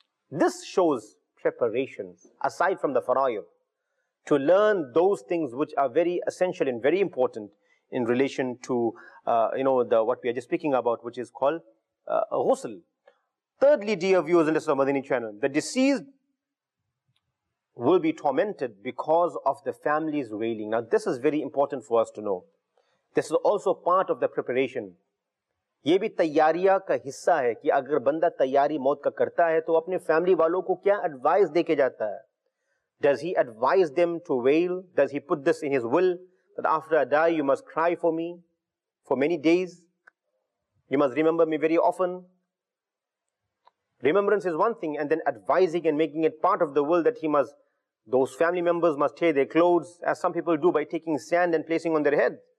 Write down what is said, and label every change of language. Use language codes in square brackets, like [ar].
[en] This shows preparations aside from the fara'id to learn those things which are very essential and very important in relation to, what we are just speaking about, which is called ghusl. Thirdly, dear viewers and listeners of Madani channel, the deceased will be tormented because of the family's wailing. Now, this is very important for us to know. This is also part of the preparation. [ur] یہ بھی تیاریہ کا حصہ ہے کہ اگر بندہ تیاری موت کا کرتا ہے تو اپنے فیملی والوں کو کیا ایڈوائز دے کے جاتا ہے. [en] Does he advise them to wail? Does he put this in his will that after I die you must cry for me for many days? You must remember me very often? Remembrance is one thing, and then advising and making it part of the will that those family members must tear their clothes, as some people do by taking sand and placing on their head.